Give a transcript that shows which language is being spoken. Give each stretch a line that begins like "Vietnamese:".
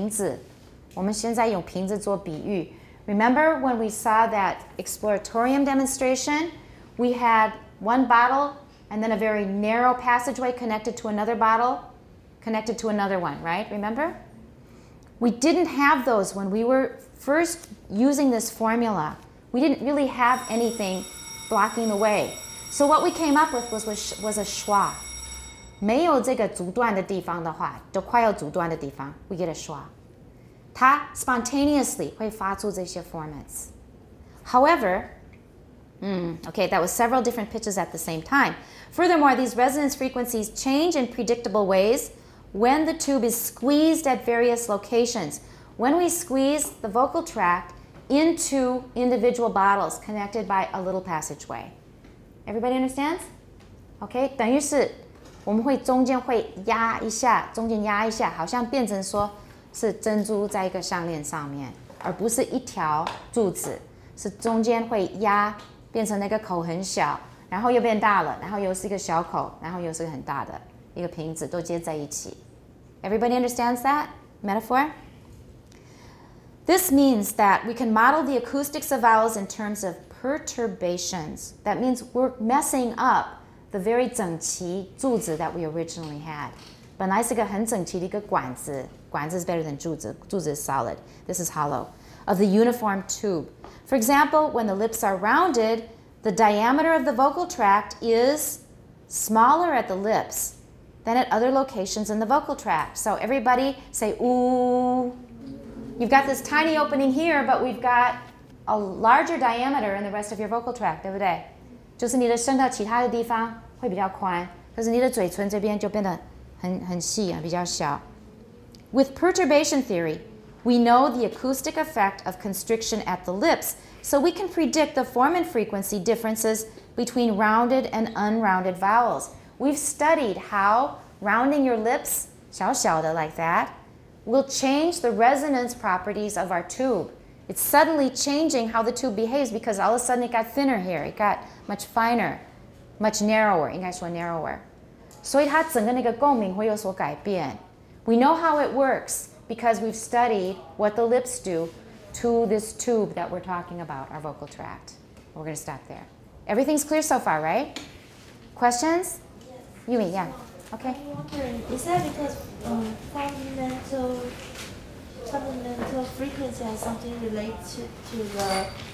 Chinese: 我们根本没有把它按住分成几个瓶子。我们现在用瓶子做比喻。
English: Remember when we saw that exploratorium demonstration? We had one bottle and then a very narrow passageway connected to another bottle, connected to another one, right? Remember? We didn't have those when we were first using this formula. We didn't really have anything blocking the way. So what we came up with was a schwa.
Chinese: 没有这个阻断的地方的话，都快要阻断的地方，
English: we get a schwa.
Chinese: 它 spontaneously 会发出这些 formants.
English: However, okay, that was several different pitches at the same time. Furthermore, these resonance frequencies change in predictable ways when the tube is squeezed at various locations. When we squeeze the vocal tract into individual bottles connected by a little passageway. Everybody understands?
Chinese: Okay, 等于是我们会中间会压一下，好像变成说是珍珠在一个项链上面， 而不是一条柱子， 是中间会压，变成那个口很小， 然后又变大了， 然后又是一个小口， 然后又是个很大的。一个瓶子都接在一起.
English: Everybody understands that metaphor? This means that we can model the acoustics of vowels in terms of perturbations. That means we're messing up the very 整齐柱子 that we originally had.
Chinese: 本来是个很整齐的一个管子,
English: 管子 is better than 柱子, 柱子 is solid, this is hollow, of the uniform tube. For example, when the lips are rounded, the diameter of the vocal tract is smaller at the lips than at other locations in the vocal tract. So everybody say, ooh. You've got this tiny opening here, but we've got a larger diameter in the rest of your vocal tract,
Chinese: 对不对? 就是你的伸到其他的地方会比较宽, 可是你的嘴唇这边就变得很细,比较小.
English: With perturbation theory, we know the acoustic effect of constriction at the lips, so we can predict the form and frequency differences between rounded and unrounded vowels. We've studied how rounding your lips,
Chinese: 小小的
English: like that, will change the resonance properties of our tube. It's suddenly changing how the tube behaves because all of a sudden it got thinner here. It got much finer, much narrower,
Chinese: 应该说
English: narrower.
Chinese: 所以它整个那个共鸣会有所改变.
English: We know how it works because we've studied what the lips do to this tube that we're talking about, our vocal tract. We're going to stop there. Everything's clear so far, right? Questions? You mean, yeah. Okay. I'm wondering, is that because fundamental frequency has something related to the